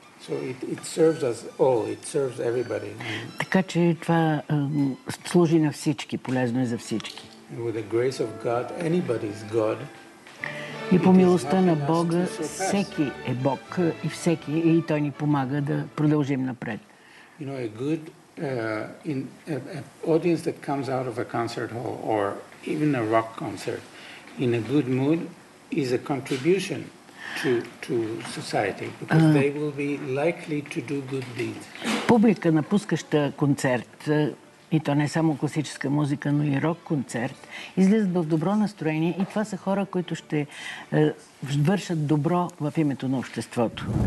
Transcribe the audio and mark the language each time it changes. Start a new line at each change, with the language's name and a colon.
English: So it serves us all, it serves everybody.
Bulgarian: Така че това служи на всички, полезно е за всички.
English: With the grace of God, anybody's God.
Bulgarian: И по милостта на Бога всеки е Бог и всеки и той ни помага да продължим напред.
English: You know, a good in an audience that comes out of a concert hall or even a rock concert in a good mood is a contribution to society because they will be likely to do good deeds.
Bulgarian: Публика, напускаща концерт, и то не само класическа музика, но и рок-концерт, излизат в добро настроение и това са хора, които ще вършат добро в името на обществото.